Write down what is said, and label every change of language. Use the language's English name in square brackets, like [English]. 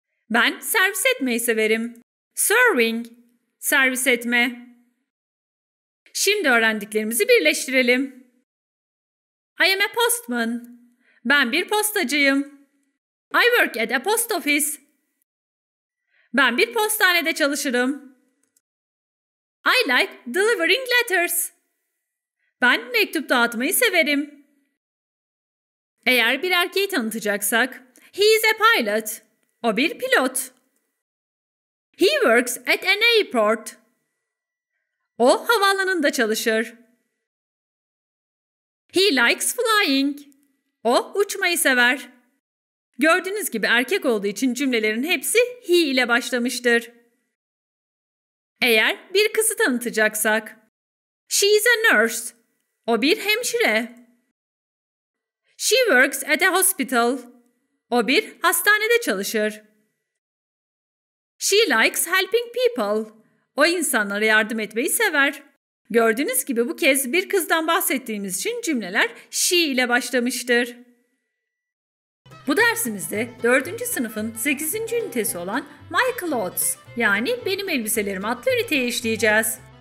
[Turkish] Ben servis etmeyi severim. [English] Serving. [Turkish] Servis etme. Şimdi öğrendiklerimizi birleştirelim. [English] I am a postman. [Turkish] Ben bir postacıyım. [English] I work at a post office. [Turkish] Ben bir postanede çalışırım. [English] I like delivering letters. [Turkish] Ben mektup dağıtmayı severim. Eğer bir erkeği tanıtacaksak, [English] he is a pilot. [Turkish] O bir pilot. [English] He works at an airport. [Turkish] O havaalanında çalışır. [English] He likes flying. [Turkish] O uçmayı sever. Gördüğünüz gibi erkek olduğu için cümlelerin hepsi he ile başlamıştır. Eğer bir kızı tanıtacaksak. [English] She is a nurse. [Turkish] O bir hemşire. [English] She works at a hospital. [Turkish] O bir hastanede çalışır. [English] She likes helping people. [Turkish] O insanlara yardım etmeyi sever. Gördüğünüz gibi bu kez bir kızdan bahsettiğimiz için cümleler she ile başlamıştır. Bu dersimizde 4. sınıfın 8. ünitesi olan My Clothes yani Benim Elbiselerim adlı üniteye işleyeceğiz.